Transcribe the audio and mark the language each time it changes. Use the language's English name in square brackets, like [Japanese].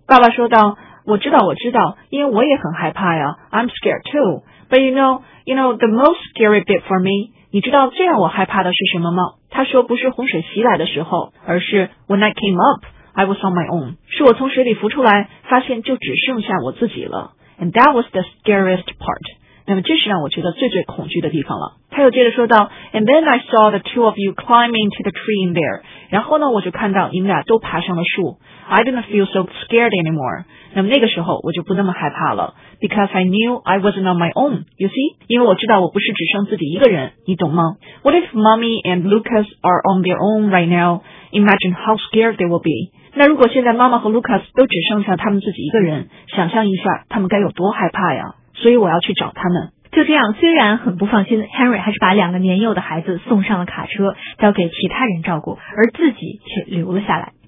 [Chinese] 爸爸说道，我知道我知道，因为我也很害怕呀， [English] I'm scared too， but you know the most scary bit for me， [Chinese] 你知道最让我害怕的是什么吗？他说不是洪水袭来的时候，而是 [English] when I came up I was on my own， [Chinese] 是我从水里浮出来发现就只剩下我自己了。 [English] And that was the scariest part. [Chinese] 那么这是让我觉得最最恐惧的地方了。他又接着说道 [English] ,And then I saw the two of you climbing to the tree in there. [Chinese] 然后呢我就看到你们俩都爬上了树。 [English] I didn't feel so scared anymore. [Chinese] 那么那个时候我就不那么害怕了。 [English] Because I knew I wasn't on my own, you see? [Chinese] 因为我知道我不是只剩自己一个人，你懂吗？ [English] What if mommy and Lucas are on their own right now? Imagine how scared they will be. [Chinese] 那如果现在妈妈和 Lucas 都只剩下他们自己一个人，想象一下他们该有多害怕呀，所以我要去找他们。就这样，虽然很不放心， Henry 还是把两个年幼的孩子送上了卡车，交给其他人照顾，而自己却留了下来。